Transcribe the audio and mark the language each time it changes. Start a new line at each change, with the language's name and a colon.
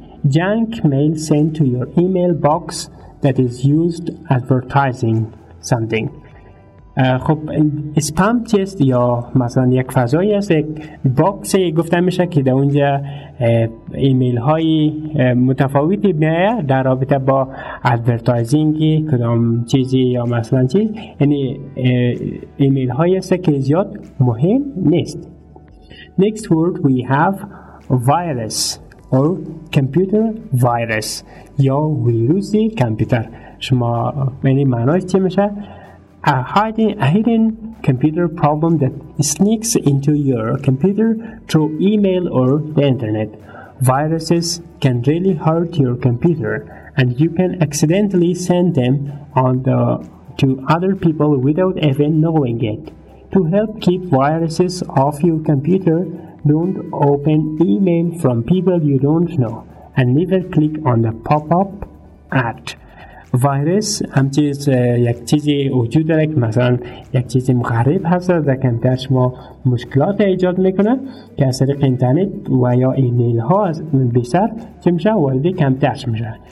English: Junk mail sent to your email box that is used advertising something.
Persian: خب اسپام چیست؟ یا مثلا یک فضایی هست، یک باکس گفته میشه که در اونجا ایمیل های متفاوتی میاید در رابطه با ادورتایزینگ کدام چیزی یا مثلا چیز، یعنی ایمیل هایی هست که زیاد مهم نیست.
English: Next word we have virus or computer virus
Persian: یا ویروسی کامپیوتر. شما یعنی معنایش چی میشه؟
English: A hidden computer problem that sneaks into your computer through email or the internet. Viruses can really hurt your computer and you can accidentally send them on to other people without even knowing it. To help keep viruses off your computer, don't open email from people you don't know, and never click on the pop-up ad.
Persian: ویروس همچیز یک چیزی وجود داره که مثلا یک چیزی مغرب هست در کمپیوتر شما مشکلات ایجاد میکنه که از طریق اینترنت و یا ایمیل ها از بیشتر چی میشه؟ وارد کمپیوتر میشه.